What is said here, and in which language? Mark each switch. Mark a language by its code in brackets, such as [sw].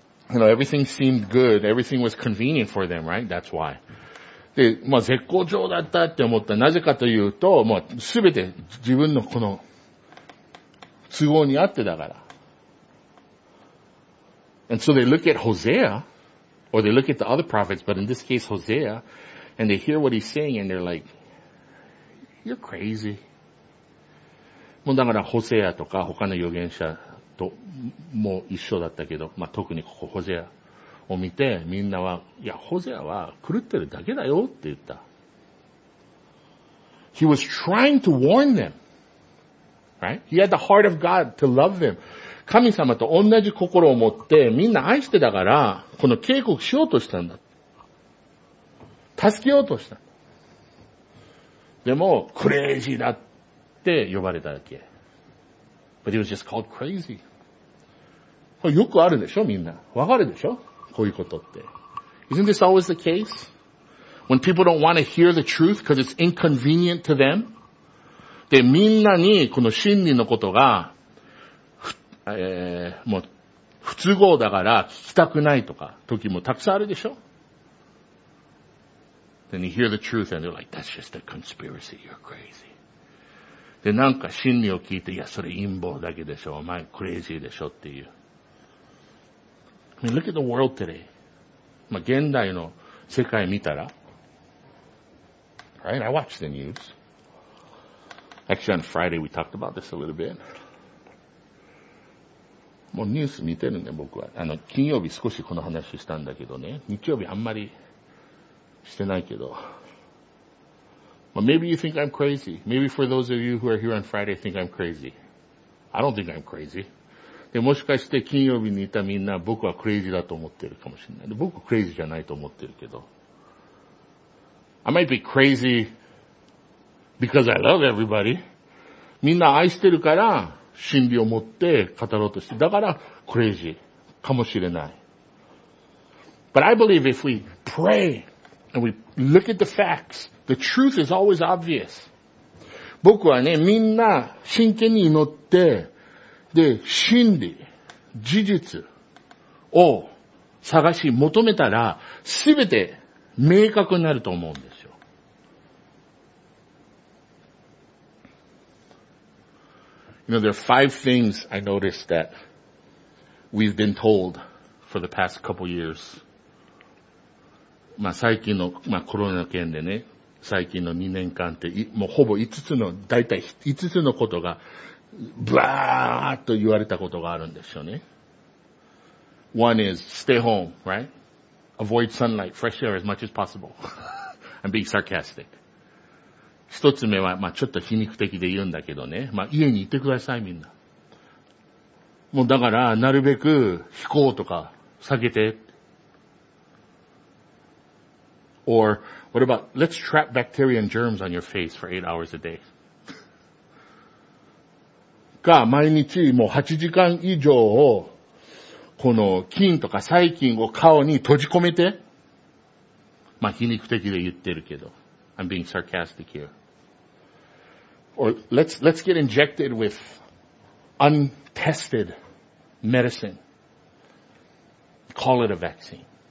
[en] You know, everything seemed good. Everything was convenient for them, right? That's why. [ja] で、まあ絶好調だったって思った。なぜかというと、もうすべて自分のこの都合に合ってだから。 [en] And so they look at Hosea, or they look at the other prophets, but in this case Hosea, and they hear what he's saying and they're like, you're crazy. [ja] もうだからホセアとか他の預言者、もう一緒だったけど、まあ、特にここホゼアを見てみんなはいやホゼアは狂ってるだけだよって言った。 [en] He was trying to warn them, right? He had the heart of God to love them. [ja] 神様と同じ心を持ってみんな愛してたからこの警告しようとしたんだ。助けようとした。でもクレイジーだって呼ばれただけ。 [en] But he was just called crazy. [ja] これよくあるでしょ、みんな。わかるでしょ、こういうことって。 [en] Isn't this always the case? When people don't want to hear the truth because it's inconvenient to them? [ja] で、みんなにこの真理のことが、もう、不都合だから聞きたくないとか、時もたくさんあるでしょ? [en] Then you hear the truth and they're like, that's just a conspiracy, you're crazy. [ja] で、なんか真理を聞いて、いや、それ陰謀だけでしょ。お前、クレイジーでしょっていう。 [en] I mean, look at the world today. [ja] まあ、現代の世界見たら。 [en] Right? I watch the news. Actually, on Friday, we talked about this a little bit. [ja] もうニュース見てるね、僕は。金曜日少しこの話したんだけどね。日曜日あんまりしてないけど。 [en] But maybe you think I'm crazy. Maybe for those of you who are here on Friday think I'm crazy. I don't think I'm crazy. [ja] で、もしかして金曜日にいたみんな僕はクレイジーだと思ってるかもしれない。で、僕はクレイジーじゃないと思ってるけど。 [en] I might be crazy because I love everybody. [ja] みんな愛してるから真理を持って語ろうとして。だからクレイジーかもしれない。 [en] But I believe if we pray and we look at the facts,The truth is always obvious. [ja] 僕はね、みんな真剣に祈って、で、真理、事実を探し求めたら、すべて明確になると思うんですよ。 [en] You know, there are five things I noticed that we've been told for the past couple years. [ja] まあ最近の、まあコロナ件でね、最近の2年間って、もうほぼ5つの、だいたい5つのことが、ブワーッと言われたことがあるんですよね。 [en] One is, stay home, right? Avoid sunlight, fresh air as much as possible. I'm being sarcastic. [ja] 一つ目は、まあ、ちょっと皮肉的で言うんだけどね。まあ、家にいてください、みんな。もうだから、なるべく飛行とか避けて。 [en] Or, what about, let's trap bacteria and germs on your face for 8 hours a day. [ja] か、毎日もう8時間以上を、この菌とか細菌を顔に閉じ込めて。まあ、皮肉的で言ってるけど。 [en] I'm being sarcastic here. Or let's get injected with untested medicine. Call it a vaccine.